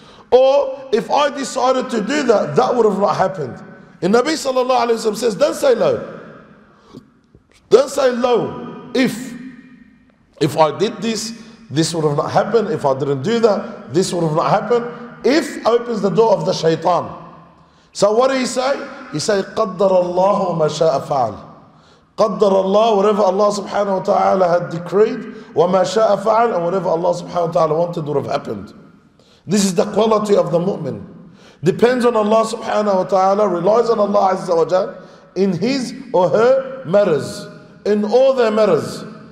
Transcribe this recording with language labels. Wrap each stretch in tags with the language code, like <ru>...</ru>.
<en>Or if I decided to do that, that would have not happened. And Nabi sallallahu alayhi wa sallam says, don't say low. Don't say low. If I did this, this would have not happened. If I didn't do that, this would have not happened. If opens the door of the shaitan. So what do you say? You say,</en> <ar>قدر الله ما شاء فعل. قدر الله,</ar> <en>whatever Allah subhanahu wa ta'ala had decreed,</en> <ar>وما شاء فعل,</ar> <en>and whatever Allah subhanahu wa ta'ala wanted would have happened. This is the quality of the mu'min. Depends on Allah subhanahu wa ta'ala, relies on Allah azza wa jal in his or her matters, in all their matters.</en>